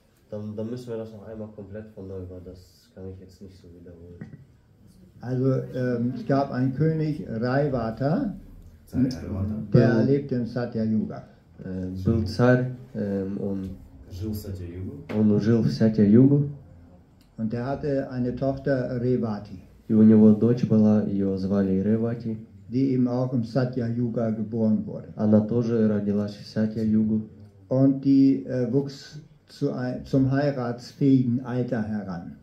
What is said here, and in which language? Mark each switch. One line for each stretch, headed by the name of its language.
German: Dann müssen wir das noch einmal komplett von neu, weil das kann ich jetzt nicht so wiederholen. Also, es gab einen König, Raivata, der lebt im Satya Yuga.
Russian: Был царь, он жил в Сатья-югу.
German: Und er hatte eine Tochter Revati.
Russian: И у него дочь была, ее звали Ревати.
German: Die ihm auch im Satya-Yuga geboren wurde.
Russian: Она тоже родилась в Сатья-югу.
German: Und die wuchs zum heiratsfähigen Alter heran.